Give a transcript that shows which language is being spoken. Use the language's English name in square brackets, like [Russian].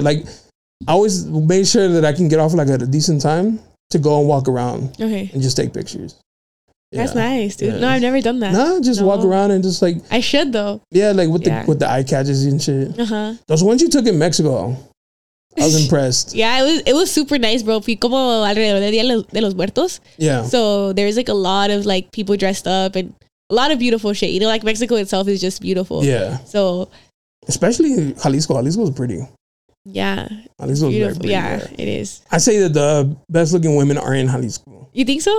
[English] Like, I always made sure that I can get off, like, at a decent time to go and walk around. Okay. And just take pictures. That's nice, dude. Yeah. No, I've never done that. Nah, just walk around and just, like. I should, though. Yeah, like, with the eye catches and shit. Uh-huh. Those ones you took in Mexico. I was impressed. Yeah, it was super nice, bro. [Spanish] Fui como alrededor del Día de los Muertos. [English] Yeah. So there's like a lot of like people dressed up and a lot of beautiful shit. You know, like Mexico itself is just beautiful. Yeah. So. Especially Jalisco. Jalisco is pretty. Yeah. Jalisco is very pretty. Yeah, there. It is. I say that the best looking women are in Jalisco. You think so?